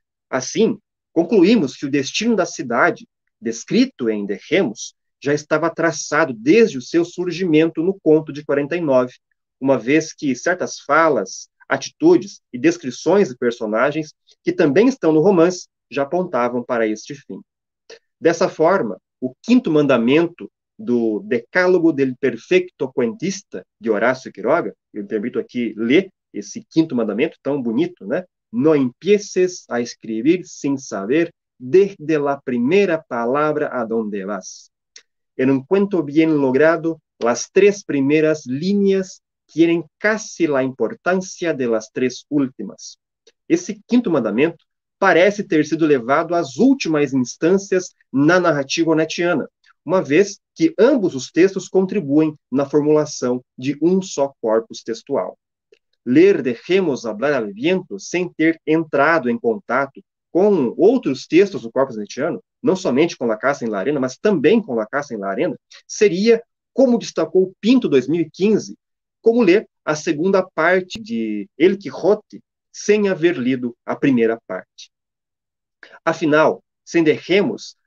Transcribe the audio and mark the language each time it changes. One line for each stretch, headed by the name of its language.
Portuguese: Assim, concluímos que o destino da cidade, descrito em Dejemos, já estava traçado desde o seu surgimento no conto de 49, uma vez que certas falas, atitudes e descrições de personagens que também estão no romance já apontavam para este fim. Dessa forma, o quinto mandamento do Decálogo del Perfecto Cuentista de Horácio Quiroga, eu me permito aqui ler esse quinto mandamento tão bonito, né?
Spanish: No empieces a escribir sin saber desde la primera palabra a donde vas. En un cuento bien logrado, las tres primeras líneas tienen casi la importancia de las tres últimas.
Portuguese: Esse quinto mandamento parece ter sido levado às últimas instâncias na narrativa onetiana, uma vez que ambos os textos contribuem na formulação de um só corpus textual. Ler Dejemos Hablar al Viento sem ter entrado em contato com outros textos do corpus onetiano, não somente com La Casa en la Arena, mas também com La Casa en la Arena, seria, como destacou Pinto 2015, como ler a segunda parte de El Quijote sem haver lido a primeira parte. Afinal, sem Dejemos,